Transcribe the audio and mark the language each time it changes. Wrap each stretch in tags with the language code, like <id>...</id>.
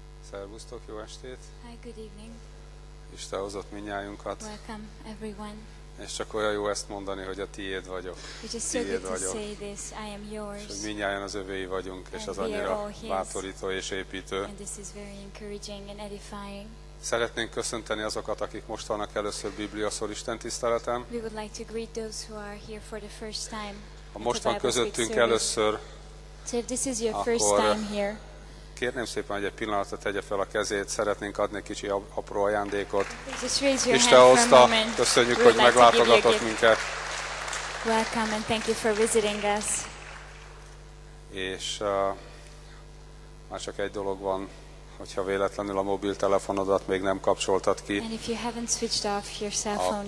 <hu>Szervusztok, jó estét!</hu> <en>Hi, good evening!</en> <hu>Isten hozott mindnyájunkat.</hu> <en>Welcome, everyone!</en> <hu>És csak olyan jó ezt mondani, hogy a tiéd vagyok.</hu> <en>It is so good to say this, I am yours.</en> <hu>És mindnyájan az övéi vagyunk, és az annyira bátorító és építő.</hu> <en>And this is very encouraging and edifying.</en> <hu>Szeretnénk köszönteni azokat, akik most vannak először Bibliaszól istentiszteleten.</hu> <en>We would like to greet those who are here for the first time.</en> <hu>Ha most van közöttünk először,</hu> <en>so if this is your first time here,</en> <hu>kérném szépen, hogy egy pillanatra tegye fel a kezét, szeretnénk adni kicsi apró ajándékot. Isten hozta, köszönjük, hogy meglátogatott minket.</hu> <en>Welcome and thank you for visiting us.</en> <hu>És már csak egy dolog van, hogyha véletlenül a mobiltelefonodat még nem kapcsoltad ki,</hu> <en>and if you haven't switched off your cell phone</en>